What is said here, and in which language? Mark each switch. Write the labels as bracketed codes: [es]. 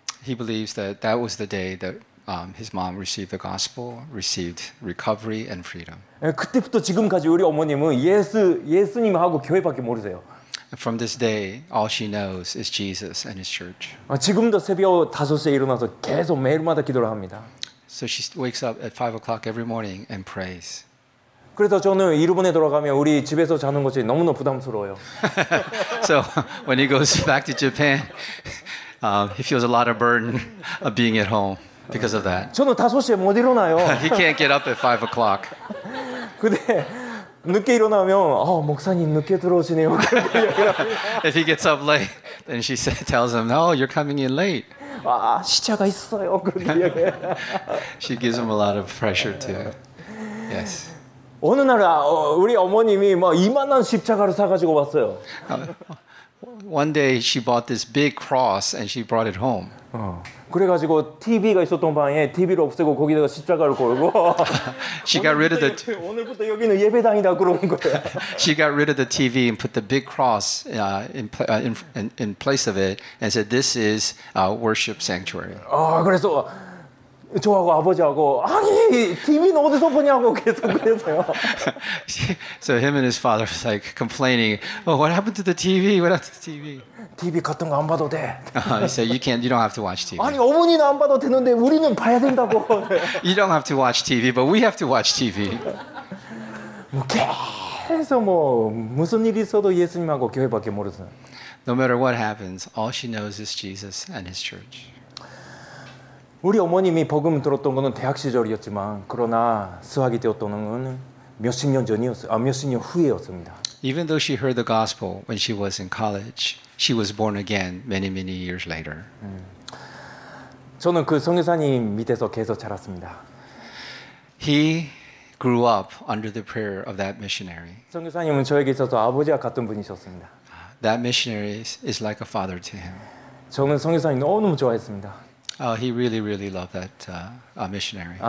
[en] He believes that was the day that his mom received the gospel, received recovery and freedom. [ko] 그때부터 지금까지 우리 어머님은 예수님하고 교회밖에 모르세요. [en] From this day, all she knows is Jesus and His church. [ko] 지금도 새벽 5시에 일어나서 계속 매일마다 기도를 합니다. [en] So she wakes up at 5 o'clock every morning and prays. [ko] 그래서 저는 일본에 돌아가면 우리 집에서 자는 것이 너무너무 부담스러워요. [en] So when he goes back to Japan, he feels a lot of burden of being at home. because of that. [ko] 저는 5시에 못 일어나요. [en] He can't get up at 5 o'clock. [ko] 근데 늦게 일어나면 아, 목사님 늦게 들어오시네요. [en] If he gets up late, then she said, tells him, "No, you're coming in late." [ko] 아, 시차가 있어요. [en] She gives him a lot of pressure too. Yes. [ko] 어느 날 우리 어머님이 막 이만한 십자가를 사 가지고 왔어요. [en] One day she bought this big cross and she brought it home. [ko] 그래 가지고 TV가 있었던 방에 TV를 없애고 거기다가 십자가를 걸고 [en] She got rid of the [ko] 오늘부터 여기는 예배당이다 그런 거예요. [en] She got rid of the TV and put the big cross in place of it and said this is a worship sanctuary. [ko] 아, 그래서 저하고 아버지하고 아니 TV는 어디서 보냐고 계속 그래서요. [en] So him and his father was like complaining. Oh, what happened to the TV? What happened to the TV? [ko] TV 같은 거 안 봐도 돼. [en] He said you can't, you don't have to watch TV. [ko] 아니 어머니는 안 봐도 되는데 우리는 봐야 된다고. [en] You don't have to watch TV, but we have to watch TV. [ko] 뭐 계속 뭐 무슨 일이 있어도 예수님하고 교회밖에 모르잖아. [en] No matter what happens, all she knows is Jesus and His church. [ko] 우리 어머님이 복음 들었던 거는 대학 시절이었지만 그러나 수학이 되었던 거는 몇십 년 전이었어요. 아, 몇십 년 후에였습니다. [en] Even though she heard the gospel when she was in college, she was born again many many years later. [ko] 저는 그 선교사님 밑에서 계속 자랐습니다. [en] He grew up under the prayer of that missionary. [ko] 선교사님은 저에게 있어서 아버지와 같은 분이셨습니다. [en] That missionary is like a father to him. [ko] 저는 선교사님 너무너무 좋아했습니다. [en] He really, really loved that missionary.